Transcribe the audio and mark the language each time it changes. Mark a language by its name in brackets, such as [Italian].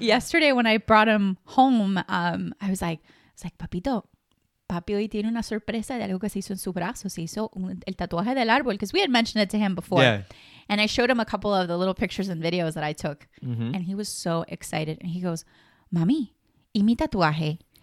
[English] Yesterday when I brought him home, I was like... It's like, [Spanish] papito, papi hoy tiene una sorpresa de algo que se hizo en su brazo. Se hizo el tatuaje del árbol. [English] Because we had mentioned it to him before. Yeah. And I showed him a couple of the little pictures and videos that I took. Mm-hmm. And he was so excited. And he goes, [Spanish] mami, ¿y mi tatuaje?